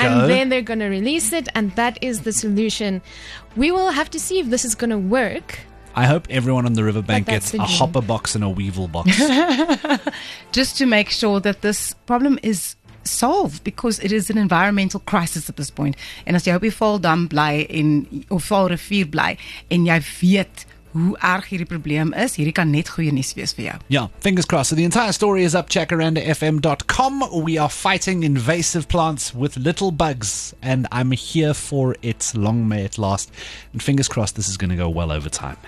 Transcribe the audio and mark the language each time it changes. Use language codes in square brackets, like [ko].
[en] And then they're going to release it, and that is the solution. We will have to see if this is going to work. I hope everyone on the riverbank gets a hopper box and a weevil box. Just to make sure that this problem is solved, because it is an environmental crisis at this point. [af] En as jy op die Valdam bly en of Valrivier bly en jy weet hoe erg hierdie probleem is, hierdie kan net goeie nuus wees vir jou. [en] Yeah, fingers crossed. So the entire story is up checkarandafm.com. We are fighting invasive plants with little bugs, and I'm here for it. Long may it last. And fingers crossed this is going to go well over time.